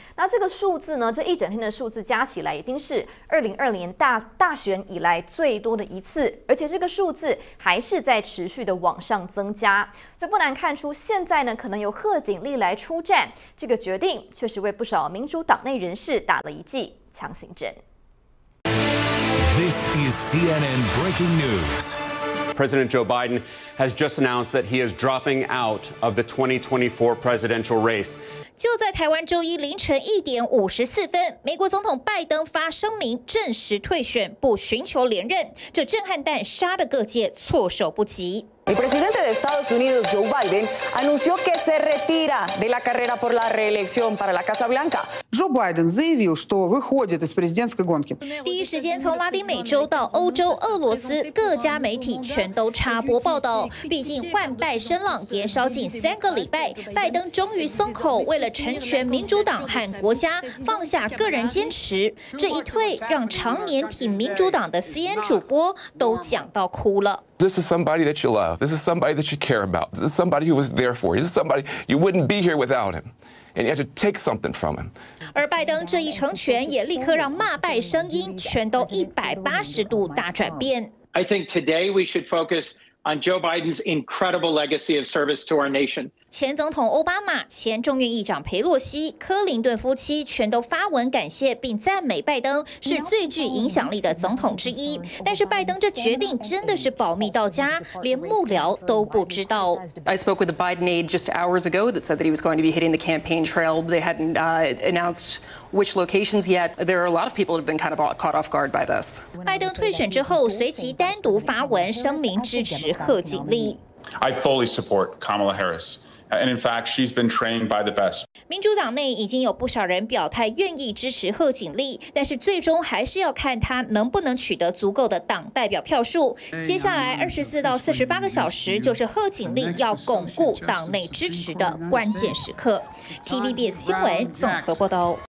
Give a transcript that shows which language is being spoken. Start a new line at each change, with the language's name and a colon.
Chinese: 那这个数字呢，这一整天的数字加起来，已经是2020年大选以来最多的一次，而且这个数字还是在持续的往上增加。所以不难看出，现在呢可能由贺锦丽来出战，这个决定确实为不少民主党内人士打了一剂强心针。
English: This is CNN breaking news. President Joe Biden has just announced that he is dropping out of the 2024 presidential race.
Chinese: 就在台湾周一凌晨1:54，美国总统拜登发声明证实退选，不寻求连任。这震撼弹杀得各界措手不及。
Spanish: El presidente de Estados Unidos, Joe Biden, anunció que se retira de la carrera por la reelección para la Casa Blanca.
Russian: Joe Biden заявил, что выходит из президентской гонки.
Chinese: 第一时间从拉丁美洲到欧洲、俄罗斯，各家媒体全都插播报道。毕竟换败声浪延烧近3个礼拜，拜登终于松口，为了成全民主党和国家，放下个人坚持。这一退让常年挺民主党的 CNN 主播都讲到哭了。
English: This is somebody that you love. This is somebody that you care about. This is somebody who was there for you. This is somebody you wouldn't be here without him. And you had to take something from him.
Chinese: 而拜登这一成全也立刻让骂拜声音全都180度大转变。
English: I think today we should focus on Joe Biden's incredible legacy of service to our nation.
Chinese: 前总统奥巴马、前众院议长佩洛西、克林顿夫妻全都发文感谢并赞美拜登是最具影响力的总统之一。但是拜登这决定真的是保密到家，连幕僚都不知道。
English: I spoke with a Biden aide just hours ago that said that he was going to be hitting the campaign trail. They hadn't announced which locations yet. There are a lot of people who have been kind of caught off guard by this.
Chinese: 拜登退选之后，随即单独发文声明支持贺锦丽。
English: I fully support Kamala Harris. And in fact, she's been trained by the best.
Chinese: 民主党内已经有不少人表态愿意支持贺锦丽，但是最终还是要看她能不能取得足够的党代表票数。接下来24到48个小时就是贺锦丽要巩固党内支持的关键时刻。 TVBS 新闻综合报道。